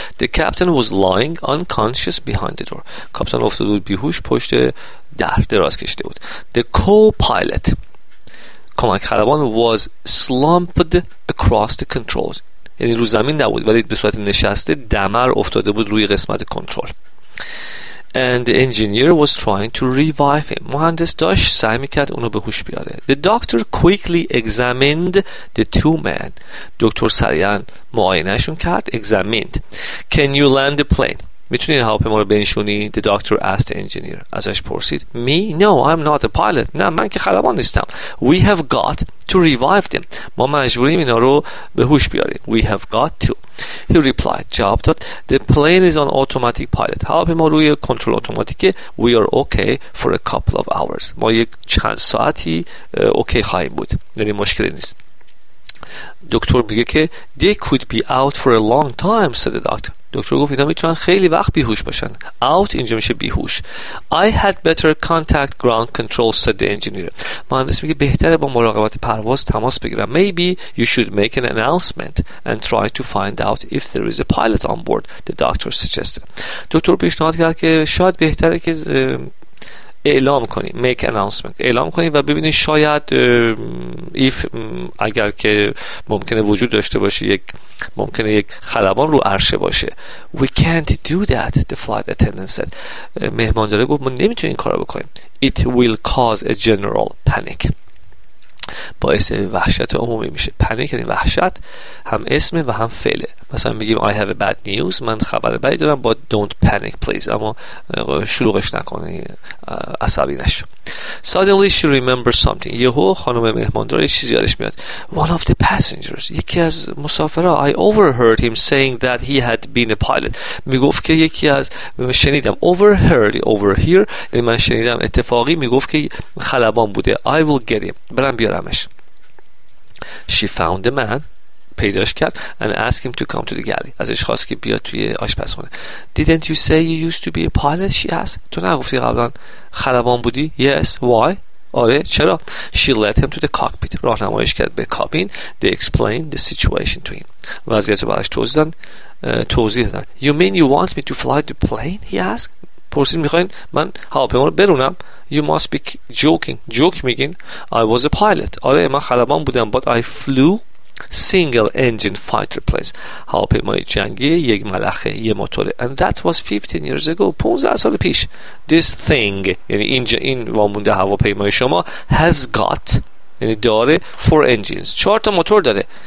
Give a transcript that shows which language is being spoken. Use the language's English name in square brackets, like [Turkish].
[English] The captain was lying unconscious behind the door. [Persian] کاپیتان افتاده بود بیهوش پشت در. دراز کشیده بود. [English] The co-pilot, [Persian] کمک خلبان, [English] was slumped across the controls. [Persian] یعنی رو زمین نبود ولی به صورت نشسته دمر افتاده بود روی قسمت کنترل. [English] And the engineer was trying to revive him. [Persian] مهندس داشت سعی میکرد اونو به هوش بیاره. [English] The doctor quickly examined the two men. [Persian] دکتر سریعا معاینهشون کرد. [English] Examined. Can you land the plane? [Persian] میتونی هواپیما رو بنشونی؟ [English] The doctor asked the engineer. [Persian] ازش پرسید. [English] Me? No, I'm not a pilot. [Persian] نه, من که خلبان نیستم. [English] We have got to revive them. [Persian] ما مجبوریم اینا رو به هوش بیاریم. [English] We have got to. He replied. [Persian] جواب داد. [English] The plane is on automatic pilot. [Persian] هواپیما روی کنترل اتوماتیکه. [English] We are okay for a couple of hours. [Persian] ما یک چند ساعتی اوکی خواهیم بود. یعنی مشکلی نیست. دکتر میگه که [English] they could be out for a long time, said the doctor. [Persian] دکتر گفت اینا میتونن خیلی وقت بیهوش باشن. Out اینجا میشه بیهوش. [English] I had better contact ground control, said the engineer. [Persian] مهندس میگه بهتره با مراقبت پرواز تماس بگیرم. [English] Maybe you should make an announcement and try to find out if there is a pilot on board, the doctor suggested. [Persian] دکتر پیشنهاد کرد که شاید بهتره که اعلام کنی. [English] Make an announcement. [Persian] اعلام کنی و ببینی شاید if اگر که ممکنه وجود داشته باشه ممکنه یک خلبان رو عرشه باشه. [English] We can't do that, the flight attendant said. [Persian] مهمانداره گفت ما نمیتونیم این کار رو بکنیم. [English] It will cause a general panic. [Persian] باعث وحشت عمومی میشه. Panic یعنی وحشت, هم اسم و هم فعله. مثلا میگیم [English] I have a bad news, [Persian] من خبر بدی دارم, [English] but don't panic please. [Persian] اما شلوغش نکنی, عصبی نشو. [English] Suddenly she remembers something. [Persian] یهو خانم مهماندار یه چیزی یادش میاد. [English] One of the passengers, [Persian] یکی از مسافرها, [English] I overheard him saying that he had been a pilot. [Persian] میگفت که یکی از شنیدم. Overheard, overhear, یعنی من شنیدم اتفاقی. میگفت که خلبان بوده. [English] I will get him, [Persian] برم بیارمش. [English] She found the man, [Persian] پیداش کرد, [English] and asked him to come to the galley. [Persian] ازش خواست که بیاد توی آشپزخانه. [English] Didn't you say you used to be a pilot? She asked. [Persian] تو نگفتی قبلا خلبان بودی؟ Yes. [English] Why? [Persian] آره, چرا؟ [English] She led him to the cockpit. [Persian] راهنماییش کرد به کابین. [English] They explained the situation to him. [Persian] وضعیت رو براش توضیح دادن. [English] You mean you want me to fly the plane? He asked. [Persian] پرسید میخواین من هواپیما رو برونم؟ [English] You must be joking. [Persian] Joke میگین. [English] I was a pilot. [Persian] آره, من خلبان بودم. [English] But I flew single engine fighter planes, [Persian] هواپیمای جنگی یک ملخه یه موتوره. [English] And that was 15 years ago, [Persian] 15 سال پیش. [English] This thing, [Persian] یعنی این وامونده هواپیمای شما, [English] has got, [Persian] یعنی داره, [English] 4 engines, [Persian] 4 تا موتور داره.